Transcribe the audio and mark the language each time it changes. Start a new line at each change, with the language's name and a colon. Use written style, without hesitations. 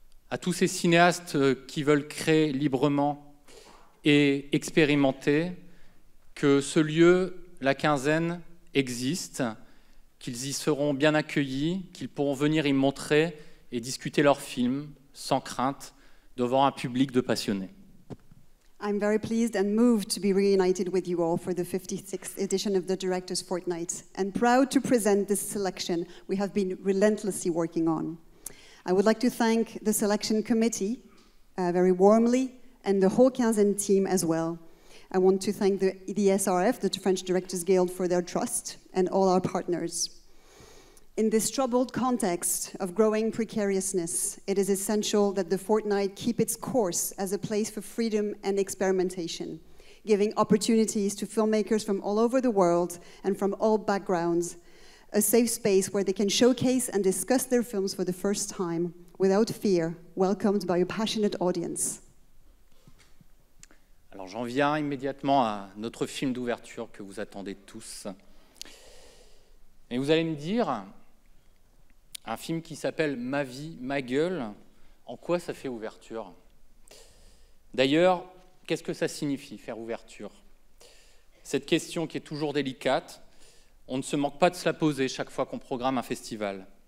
French: à tous ces cinéastes qui veulent créer librement et expérimenter, que ce lieu, la quinzaine, existe, qu'ils y seront bien accueillis, qu'ils pourront venir y montrer et discuter leurs films sans crainte devant un public de passionnés.
English: I'm very pleased and moved to be reunited with you all for the 56th edition of the Director's Fortnight, and proud to present this selection we have been relentlessly working on. I would like to thank the selection committee very warmly, and the whole Quinzaine team as well. I want to thank the SRF, the French Directors Guild, for their trust, and all our partners. In this troubled context of growing precariousness, it is essential that the fortnight keep its course as a place for freedom and experimentation, giving opportunities to filmmakers from all over the world and from all backgrounds, a safe space where they can showcase and discuss their films for the first time without fear, welcomed by a passionate audience.
French: Alors j'en viens immédiatement à notre film d'ouverture que vous attendez tous. Et vous allez me dire, un film qui s'appelle Ma vie, ma gueule, en quoi ça fait ouverture? D'ailleurs, qu'est-ce que ça signifie, faire ouverture? Cette question qui est toujours délicate, on ne se manque pas de se la poser chaque fois qu'on programme un festival.